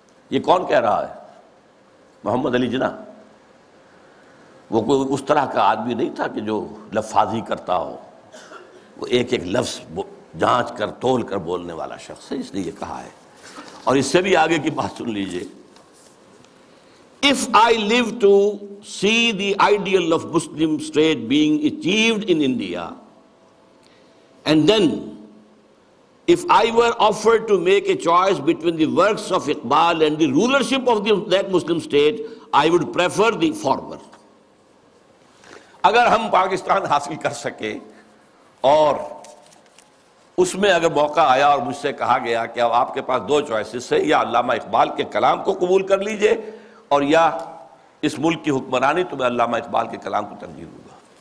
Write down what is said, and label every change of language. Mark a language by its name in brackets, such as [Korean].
[Urdu] یہ کون کہہ رہا ہے؟ محمد علی جناح. وہ کوئی اس طرح کا آدمی نہیں تھا کہ جو لفاظی کرتا ہو, وہ ایک ایک لفظ جانچ کر تول کر بولنے والا شخص ہے, اس لیے یہ کہا ہے. اور اس سے بھی آگے کی بات سن لیجئے. [English] If I live to see the ideal of Muslim state being achieved in India, and then if I were offered to make a choice between the works of Iqbal and the rulership of that Muslim state, I would prefer the former. [Urdu] اگر ہم پاکستان حاصل کر سکیں اور اس میں اگر موقع آیا اور مجھ سے کہا گیا کہ اب آپ کے پاس دو چوائسز ہیں, یا علامہ اقبال کے کلام کو قبول کر لیجئے اور یا اس ملک کی حکمرانی, تو میں علامہ اقبال کے کلام کو ترجیح دوں گا.